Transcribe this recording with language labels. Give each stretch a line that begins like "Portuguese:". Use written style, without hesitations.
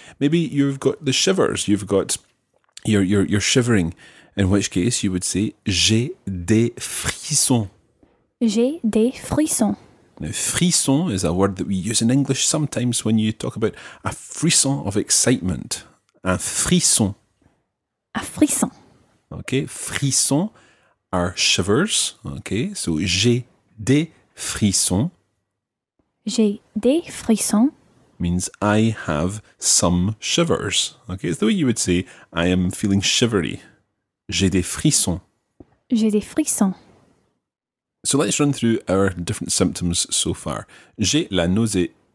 English: Maybe you've got the shivers, you've got, you're shivering, in which case you would say,
French: j'ai des frissons. J'ai des frissons.
English: Now, frisson is a word that we use in English sometimes when you talk about a frisson of excitement.
French: Un frisson.
English: A frisson. Okay, frissons are shivers. Okay, so
French: j'ai des frissons. J'ai des frissons.
English: Means I have some shivers. Okay, it's the way you would say I am feeling shivery.
French: J'ai des frissons. J'ai des frissons.
English: So let's run through our different symptoms so far.
French: J'ai la nausée.